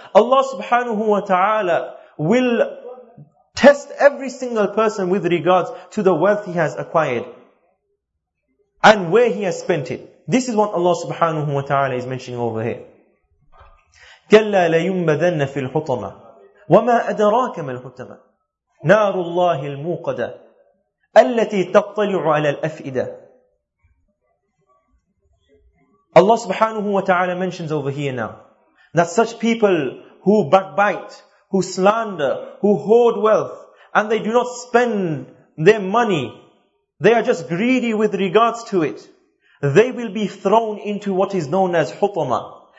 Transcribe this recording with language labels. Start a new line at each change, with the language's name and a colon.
English: Allah subhanahu wa ta'ala will test every single person with regards to the wealth he has acquired and where he has spent it. This is what Allah subhanahu wa ta'ala is mentioning over here.
Arabic: كَلَّا لَيُنْبَذَنَّ فِي الْحُطَمَةِ, وما أدراك ما الحطمة نار الله الموقدة التي تطلع على الأفئدة.
English: Allah subhanahu wa ta'ala mentions over here now that such people who backbite, who slander, who hoard wealth, and they do not spend their money, they are just greedy with regards to it, they will be thrown into what is known as hutama.